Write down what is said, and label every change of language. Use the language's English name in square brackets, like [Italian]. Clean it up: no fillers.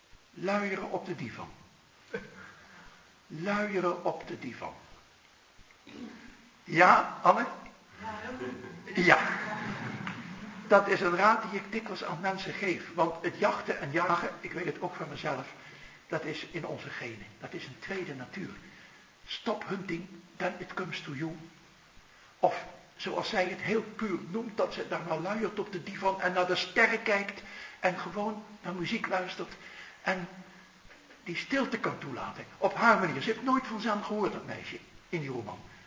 [Dutch] Luieren op de divan. Luieren op de divan. Ja, Anne? Ja. Dat is een raad die ik dikwijls aan mensen geef. Want het jachten en jagen, ik weet het ook van mezelf, dat is in onze genen. Dat is een tweede natuur. [English] Stop hunting, then it comes to you. [Dutch] Of zoals zij het heel puur noemt, dat ze daar maar luiert op de divan en naar de sterren kijkt en gewoon naar muziek luistert en die stilte kan toelaten. Op haar manier. Ze heeft nooit van Zen gehoord, dat meisje, in die roman.